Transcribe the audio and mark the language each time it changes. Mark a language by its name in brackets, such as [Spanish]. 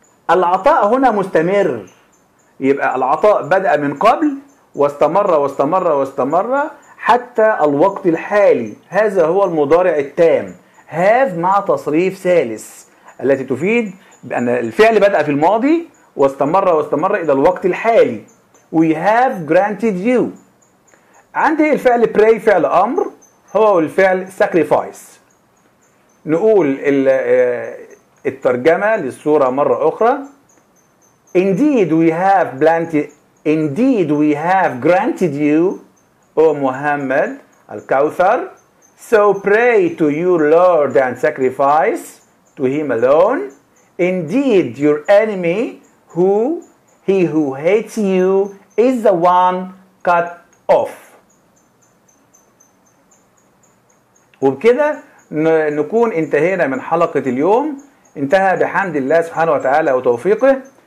[Arabic] العطاء هنا مستمر، يبقى العطاء بدا من قبل واستمر واستمر واستمر حتى الوقت الحالي، هذا هو المضارع التام have مع تصريف ثالث التي تفيد بأن الفعل بدأ في الماضي واستمر واستمر إلى الوقت الحالي. [English] We have granted you. [Arabic] عندي الفعل pray فعل أمر، هو الفعل sacrifice. نقول الترجمة للصورة مرة أخرى. [English] Indeed we have granted. Indeed we have granted you, O Muhammad al-Kawthar. So pray to your Lord and sacrifice to him alone. Indeed, your enemy, who hates you, is the one cut off. [Arabic] وبكده نكون انتهينا من حلقة اليوم، انتهى بحمد الله سبحانه وتعالى وتوفيقه.